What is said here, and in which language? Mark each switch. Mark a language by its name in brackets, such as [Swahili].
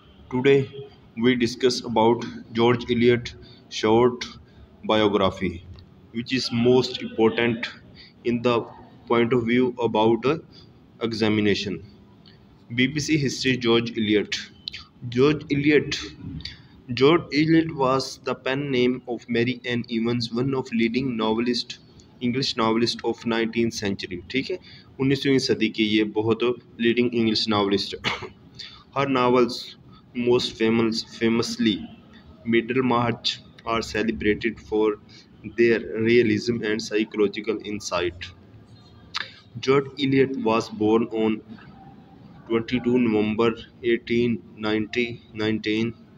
[English] Today we discuss about George Eliot's short biography, which is most important in the point of view about examination. BBC history, George Eliot. George Eliot was the pen name of Mary Ann Evans, one of leading novelist, English novelist of 19th century. [Hindi] ठीक है, 19वीं सदी के ये बहुत [English] leading English novelist. Her novels, most famously Middlemarch, are celebrated for their realism and psychological insight. George Eliot was born on 22 November 1819.